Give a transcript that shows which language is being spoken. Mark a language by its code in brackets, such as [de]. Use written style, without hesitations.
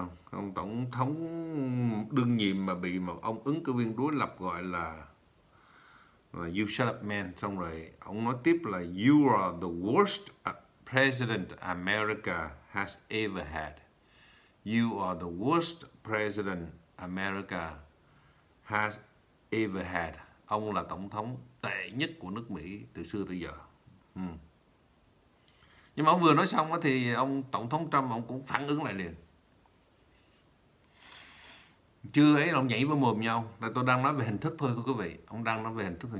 [vi] Ông tổng thống đương nhiệm mà bị một ông ứng cử viên đối lập gọi là [en] "You shut up man", [vi] xong rồi ông nói tiếp là [en] "You are the worst president America has ever had. You are the worst president America has ever had." [vi] Ông là tổng thống tệ nhất của nước Mỹ từ xưa tới giờ. Nhưng mà ông vừa nói xong đó thì ông tổng thống Trump ông cũng phản ứng lại liền. Chưa ấy ông nhảy với mồm nhau. Đây tôi đang nói về hình thức thôi, thưa quý vị. Ông đang nói về hình thức thôi.